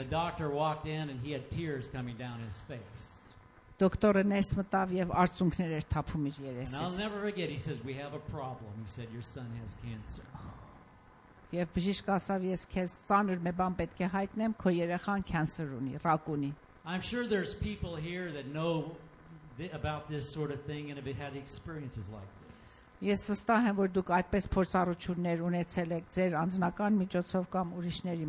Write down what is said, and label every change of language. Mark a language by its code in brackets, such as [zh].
[hy] էր. [en] The doctor walked in and he had tears coming down his face. [hy] Դոկտորը ներս մտավ եւ արցունքներ էր թափում իր երեսից. [en] And I'll never forget, he says, we have a problem. He said, your son has cancer. [hy] Եվ բժիշկը ասավ, ես քեզ ծանր մի բան պետք է հայտնեմ, քո երեխան cancer ունի, ռակ ունի. [en] I'm sure there's people here that know about this sort of thing and have had experiences like this. [hy] Ես վստահ եմ, որ դուք այդպես փորձառություններ ունեցել եք ձեր անձնական միջոցով կամ ուրիշների